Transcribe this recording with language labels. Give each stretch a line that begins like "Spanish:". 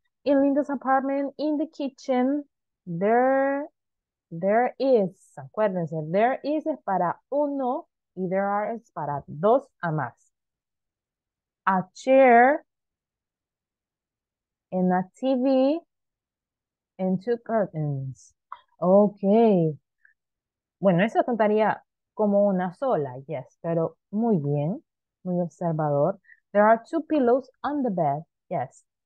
English: In Linda's apartment, in the kitchen, there is.
Spanish: Acuérdense,
English: there is
Spanish: es para uno y
English: there are
Spanish: es para dos a más.
English: A chair, and a TV, and two curtains. Ok.
Spanish: Bueno, eso contaría como una sola, yes, pero muy bien, muy observador.
English: There are two pillows on the bed, yes.